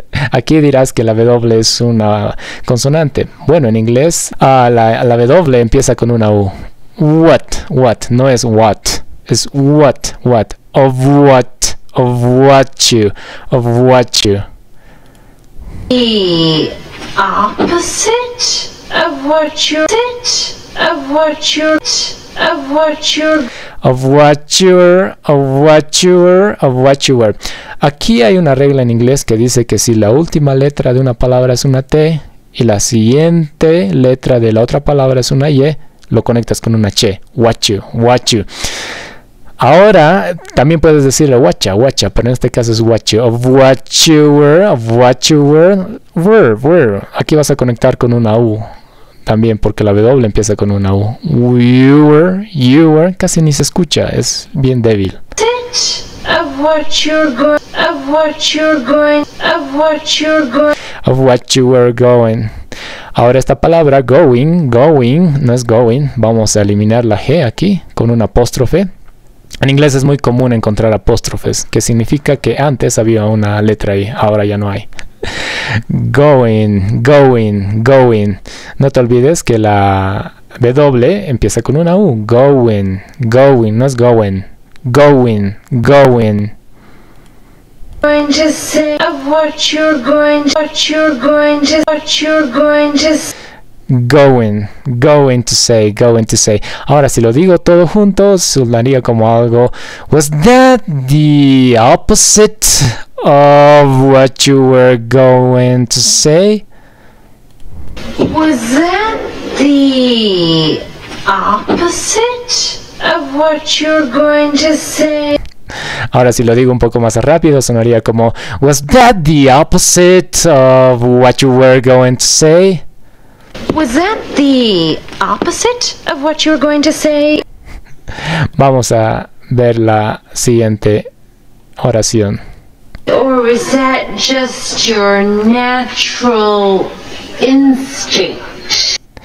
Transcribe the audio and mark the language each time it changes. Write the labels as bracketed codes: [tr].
[es] Aquí dirás que la W es una consonante. Bueno, en inglés, la W empieza con una U. [en] What, what, [es] no es [en] what, es what, what, of what. Of what you, of what you. The opposite of what you're, of what you're, of what you're. Of what you're, of what you're, of what you were. [es] Aquí hay una regla en inglés que dice que si la última letra de una palabra es una T y la siguiente letra de la otra palabra es una Y, lo conectas con una Ch. [en] What you, what you. [es] Ahora, también puedes decirle watcha, watcha, pero en este caso es [en] what you. Of what you were, of what you were, were, were. [es] Aquí vas a conectar con una U, también, porque la W empieza con una U. [en] You were, [es] casi ni se escucha, es bien débil. [en] Of what you're going, of what you're going, of what you're going. Of what you were going. [es] Ahora esta palabra, going, going, no es going, vamos a eliminar la G aquí, con un apóstrofe. En inglés es muy común encontrar apóstrofes, que significa que antes había una letra ahí, ahora ya no hay. [en] Going, going, going. [es] No te olvides que la W empieza con una U. [en] Going, going, [es] no es [en] going. Going, going. Going to say of what you're going to, what you're going to, what you're going to say. Going, going to say, going to say. [es] Ahora, si lo digo todo junto, sonaría como algo. [en] Was that the opposite of what you were going to say? Was that the opposite of what you're going to say? [es] Ahora, si lo digo un poco más rápido, sonaría como. [en] Was that the opposite of what you were going to say? Was that the opposite of what you were going to say? [es] Vamos a ver la siguiente oración. [en] Or is that just your natural instinct?